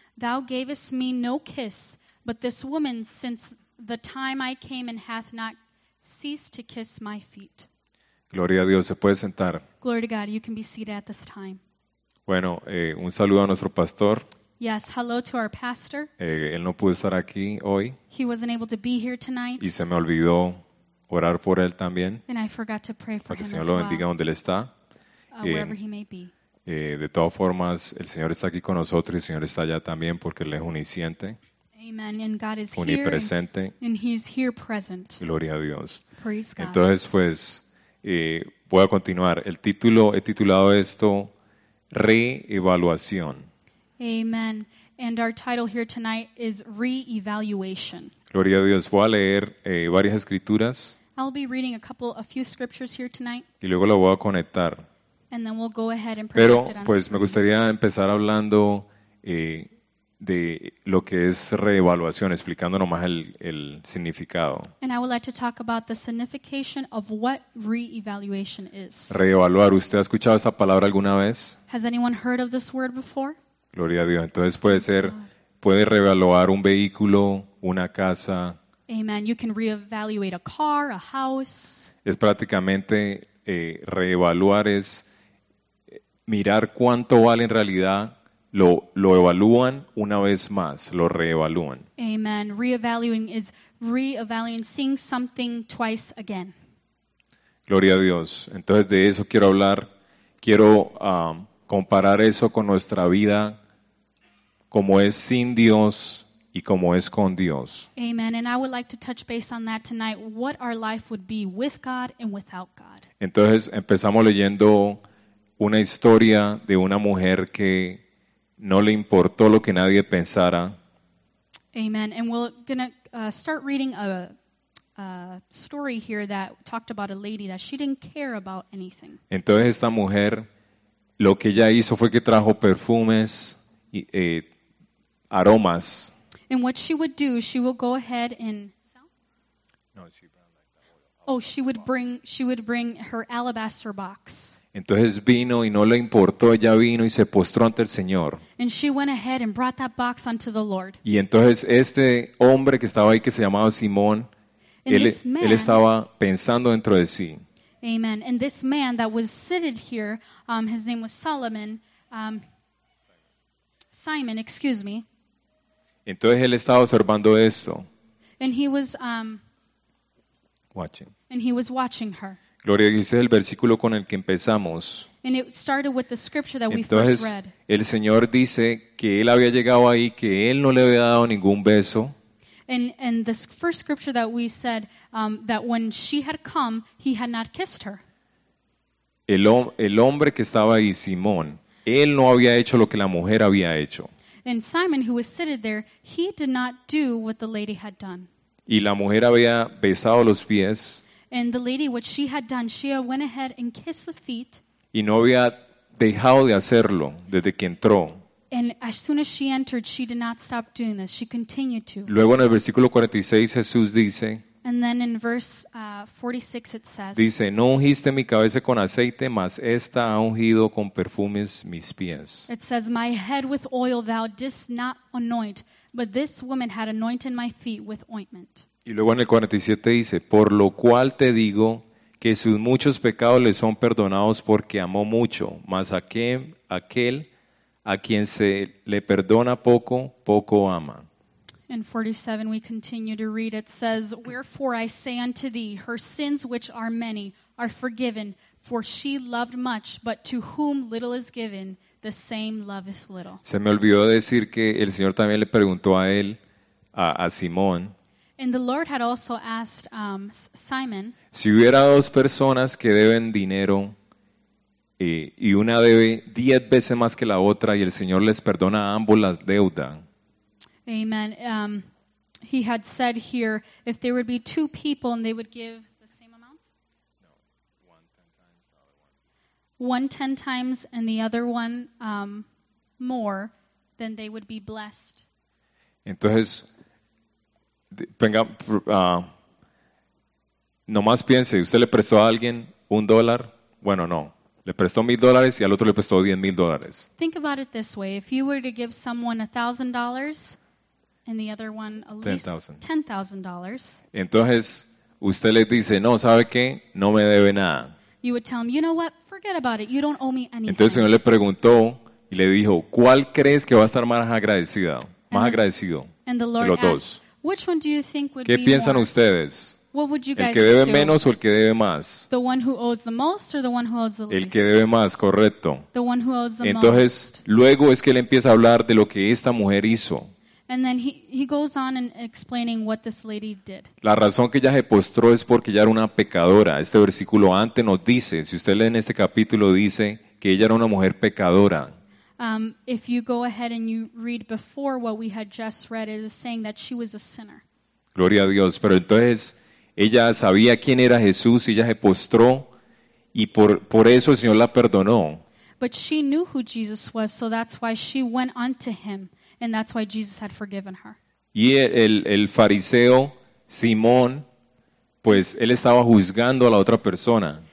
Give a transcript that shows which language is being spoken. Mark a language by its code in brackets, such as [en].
[en] Thou gavest me no kiss, but this woman since the time I came and hath not ceased to kiss my feet. [es] Gloria a Dios. Se puede sentar. [en] Glory to God. You can be seated at this time. [es] Bueno, un saludo a nuestro pastor. [en] Yes, hello to our pastor. [es] Él no pudo estar aquí hoy. [en] He wasn't able to be here tonight. [es] Y se me olvidó. Orar por él también. [en] And I forgot to pray for [es] para que [en] him [es] el Señor lo bendiga [en] well. [es] Donde él está. [en] Wherever he may be. [es] De todas formas, el Señor está aquí con nosotros y el Señor está allá también porque él es unisciente. [en] Amen. And God is [es] unipresente. [en] Here and he's here present. [es] Gloria a Dios. [en] Praise God. [es] Entonces, pues, voy a continuar. El título, he titulado esto, Re-evaluación. [en] Amen. And our title here tonight is Re-evaluation. [es] Gloria a Dios. Voy a leer varias escrituras. [en] I'll be reading a few scriptures here tonight. [es] Y luego lo voy a conectar. [en] And then we'll go ahead and [es] Pero, [en] it on [es] pues, [en] screen. [es] Me gustaría empezar hablando de lo que es reevaluación, explicando nomás el significado. [en] And I would like to talk about the signification of what reevaluation is. [es] Reevaluar. ¿Usted ha escuchado esa palabra alguna vez? [en] Has anyone heard of this word before? [es] Gloria a Dios. Entonces puede ser, puede reevaluar un vehículo. Una casa. Amen. [en] You can reevaluate a car, a house. [es] Es prácticamente reevaluar es mirar cuánto vale en realidad. Lo evalúan una vez más. Lo reevalúan. Amen. [en] Reevaluating is reevaluating, seeing something twice again. [es] Gloria a Dios. Entonces de eso quiero hablar. Quiero comparar eso con nuestra vida como es sin Dios. Y como es con Dios. Amen. [en] And I would like to touch base on that tonight. What our life would be with God and without God. [es] Entonces empezamos leyendo una historia de una mujer que no le importó lo que nadie pensara. [en] Amen. And we're going to start reading a story here that talked about a lady that she didn't care about anything. [es] Entonces esta mujer, lo que ella hizo fue que trajo perfumes y aromas. [en] And what she would do, she would go ahead and sell? No, she she would bring her alabaster box. [es] Entonces vino y no le importó, ella vino y se postró ante el Señor. [en] And she went ahead and brought that box unto the Lord. [es] Y entonces este hombre que estaba ahí que se llamaba Simón, él estaba pensando dentro de sí. Amen. [en] And this man that was seated here, his name was Solomon, Simon, excuse me. [es] Entonces él estaba observando esto. [en] And he was watching. And he was watching her. [es] Gloria a Dios, es el versículo con el que empezamos. [en] And it started with the scripture that [es] entonces, [en] we first read. [es] El Señor dice que él había llegado ahí, que él no le había dado ningún beso. [en] And the first scripture that we said that when she had come, he had not kissed her. [es] El hombre que estaba ahí, Simón, él no había hecho lo que la mujer había hecho. [en] And Simon, who was seated there, he did not do what the lady had done. [es] Y la mujer había besado los pies. [en] And the lady, what she had done, she went ahead and kissed the feet. [es] Y no había dejado de hacerlo desde que entró. [en] And as soon as she entered, she did not stop doing this. She continued to. [es] Luego en el versículo 46, Jesús dice. [en] And then in verse 46, it says. [es] Dice, no ungiste mi cabeza con aceite, mas esta ha ungido con perfumes mis pies. [en] It says, my head with oil thou didst not anoint, but this woman had anointed my feet with ointment. [es] Y luego en el 47 dice, por lo cual te digo que sus muchos pecados le son perdonados porque amó mucho, mas aquel a quien se le perdona poco, poco ama. [en] In 47 we continue to read, it says, wherefore I say unto thee, her sins which are many are forgiven, for she loved much, but to whom little is given, the same loveth little. [es] Se me olvidó decir que el Señor también le preguntó a él, a Simón. [en] And the Lord had also asked Simon. [es] Si hubiera dos personas que deben dinero y una debe 10 veces más que la otra y el Señor les perdona a ambos las deudas. Amen. [en] He had said here, if there would be two people and they would give the same amount. No, one ten times and the other one more, then they would be blessed. [es] Entonces. Venga, nomás piense, usted le prestó a alguien $1, bueno, no, le prestó $1,000 y al otro le prestó $10,000. [en] Think about it this way, if you were to give someone $1,000 and the other one at least $10,000. [es] Entonces, usted le dice, no, ¿sabe qué? No me debe nada. [en] You would tell him, you know what, forget about it, you don't owe me anything. [es] Entonces el Señor le preguntó y le dijo, ¿cuál crees que va a estar más agradecida, más agradecido de los dos? [en] Which one do you think would [es] ¿qué [en] be [es] piensan [en] more? [es] Ustedes? [en] What would you guys [es] ¿el que debe [en] assume? [es] Menos o el que debe más? [en] The one who owes the most or the one who owes the least? [es] El que debe más, correcto. [en] The one who owes the [es] entonces, [en] most. [es] Entonces, luego es que él empieza a hablar de lo que esta mujer hizo. [en] And then he goes on and explaining what this lady did. [es] La razón que ella se postró es porque ella era una pecadora. Este versículo antes nos dice, si usted lee en este capítulo, dice que ella era una mujer pecadora. [en] If you go ahead and you read before what we had just read, it is saying that she was a sinner. [es] Gloria a Dios. Pero entonces ella sabía quién era Jesús y ella se postró y por eso el Señor la perdonó. [en] But she knew who Jesus was, so that's why she went unto him, and that's why Jesus had forgiven her. [es] Y el fariseo Simón, pues él estaba juzgando a la otra persona.